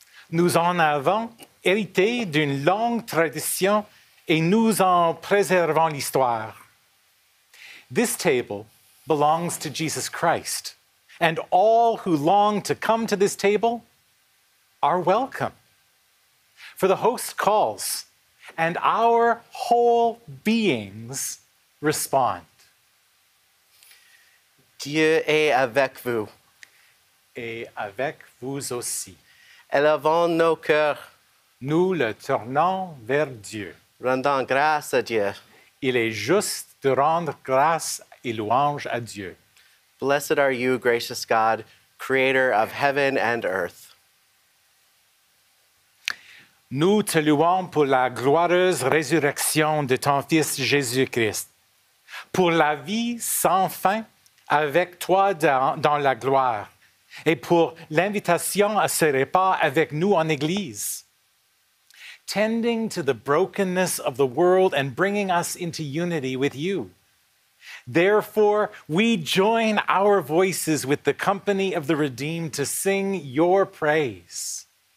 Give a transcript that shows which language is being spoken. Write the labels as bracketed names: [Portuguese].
[French] Nous en avons hérité d'une longue tradition et nous en préservons l'histoire. [English] This table belongs to Jesus Christ, and all who long to come to this table are welcome. For the host calls, and our whole beings respond. [French] Dieu est avec vous. Et avec vous aussi. Élevons nos cœurs. Nous le tournons vers Dieu. Rendons grâce à Dieu. Il est juste de rendre grâce et louange à Dieu. [English] Blessed are you, gracious God, creator of heaven and earth. [French] Nous te louons pour la glorieuse résurrection de ton Fils Jésus-Christ, pour la vie sans fin avec toi dans la gloire, et pour l'invitation à ce repas avec nous en Église. [English] Tending to the brokenness of the world and bringing us into unity with you. Therefore, we join our voices with the company of the redeemed to sing your praise.